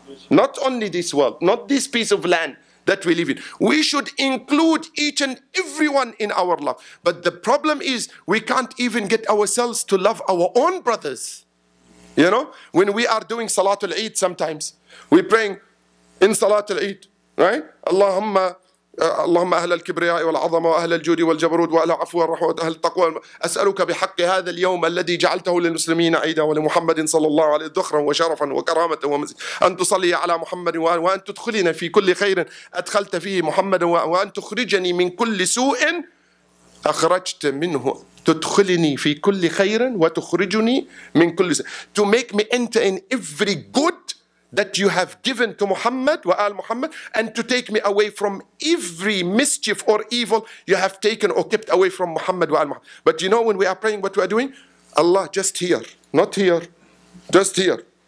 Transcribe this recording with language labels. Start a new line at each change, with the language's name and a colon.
English: Not only this world, not this piece of land that we live in. We should include each and everyone in our love. But the problem is, we can't even get ourselves to love our own brothers. You know, when we are doing Salatul Eid sometimes, we're praying in Salatul Eid, right?
Arabic: Allahumma, اللهم أهل الكبرياء والعظمة وأهل الجود والجبروت وأهل عفو والرحمة وأهل التقوى أسألك بحق هذا اليوم الذي جعلته للمسلمين عيدا ولمحمد صلى الله عليه ذخرا وشرفا وكرامة ومزيد أن تصلي على محمد وأن تدخلنا في كل خير أدخلت فيه محمد وأن تخرجني من كل سوء أخرجت منه تدخلني في كل خير وتخرجني من كل سوء.
English: To make me enter in every good that you have given to Muhammad wa al Muhammad, and to take me away from every mischief or evil you have taken or kept away from Muhammad wa al Muhammad. But you know, when we are praying, what we are doing? Allah, just here, not here, just here.